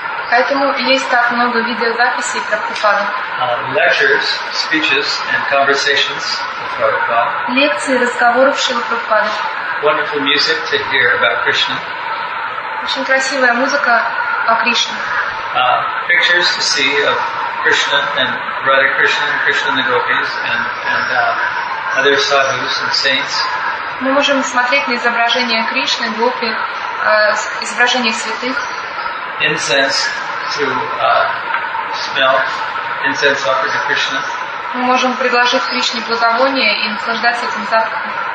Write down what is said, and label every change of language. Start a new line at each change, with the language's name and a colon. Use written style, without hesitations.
Russian: Поэтому есть так много видеозаписей Прабхупады.
English: Lectures, speeches, and conversations of Prabhupada.
Russian: Лекции, разговоры Шрилы Прабхупады.
English: Wonderful music to hear about Krishna.
Russian: Очень красивая музыка о Кришне.
English: Pictures to see of Krishna and Radha Krishna, Krishna and the Gopis, and other sadhus and saints.
Russian: Мы можем смотреть на изображения Кришны, Гопи, изображения святых.
English: Incense to smell, incense offered to Krishna.
Russian: Мы можем предложить Кришне благовоние и наслаждаться этим запахом.